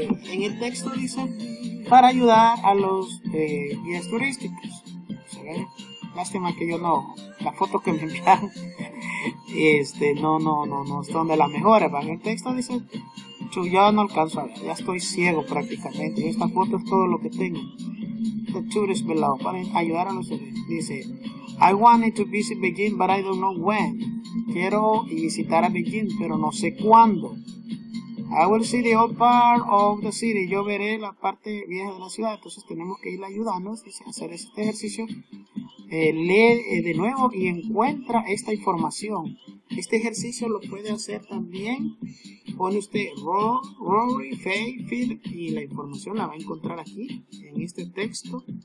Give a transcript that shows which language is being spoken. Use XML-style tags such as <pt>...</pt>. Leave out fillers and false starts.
<es>En el texto dice, para ayudar a los guías turísticos. ¿Sale? Lástima que yo no, la foto que me enviaron, no son de las mejores. ¿Vale? El texto dice, yo no alcanzo a ver, ya estoy ciego prácticamente. Esta foto es todo lo que tengo.</es> <en>The tourist below,</en> <es>para ayudar a los turistas. Dice,</es> <en>I wanted to visit Beijing, but I don't know when.</en> <es>Quiero visitar a Beijing, pero no sé cuándo.</es> <en>I will see the old part of the city.</en> <es>Yo veré la parte vieja de la ciudad. Entonces tenemos que ir ayudándonos, dice, a hacer este ejercicio. Lee de nuevo y encuentra esta información. Este ejercicio lo puede hacer también. Pone usted Rory, Faye, Phil, y la información la va a encontrar aquí, en este texto.</es>